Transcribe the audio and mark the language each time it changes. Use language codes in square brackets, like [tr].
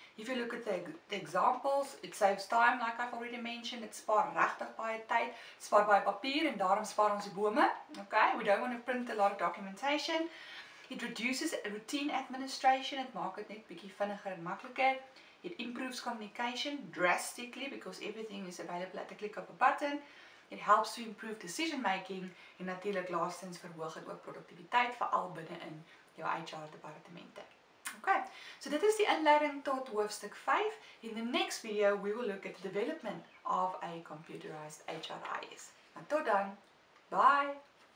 [en] If you look at the examples, it saves time, like I've already mentioned, it [af] spaar regtig baie tyd, spaar baie papier, en daarom spaar ons die bome. [en] Okay, we don't want to print a lot of documentation. It reduces routine administration, [af] het maak het net bietjie vinniger en makkeliker. [en] It improves communication drastically because everything is available at the click of a button. It helps to improve decision making [af] en natuurlijk laastens verhoog het ook productiviteit vooral binnenin jou HR departemente. Okay, so dit is die inleiding tot hoofstuk 5. [en] In the next video we will look at the development of a computerized HRIS. [af] En tot dan, [en] bye!